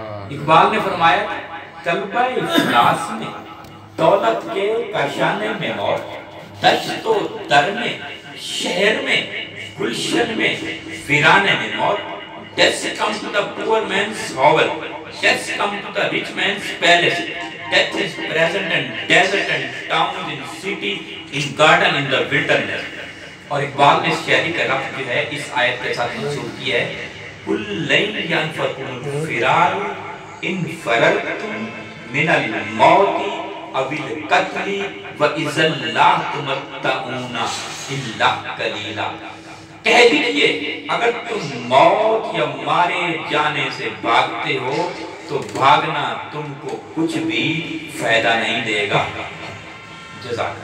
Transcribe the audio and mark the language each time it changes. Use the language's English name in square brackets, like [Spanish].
[Urdu] اقبال نے فرمایا طلبہ افلاس میں دولت کے کاشانے میں موت, [English] دشت و در میں شہر میں گلشن میں ویرانے میں موت, death come to the poor man's hovel, death come to the rich man's palace, death is present in desert and towns in city in garden in the wilderness. [Urdu] اور اقبال نے شاعری کا ربط جو ہے اس آیت کے ساتھ منسوخ کیا ہے. [Arabic] قل لن ينفعكم الفرار ان فررتم من الموت او القتل واذا لا تمتعون الا قليلا. [Urdu] کہہ دیجیے اگر تم موت یا مارے جانے سے بھاگتے ہو تو بھاگنا تم کو کچھ بھی فائدہ نہیں دے گا. جزاک اللہ.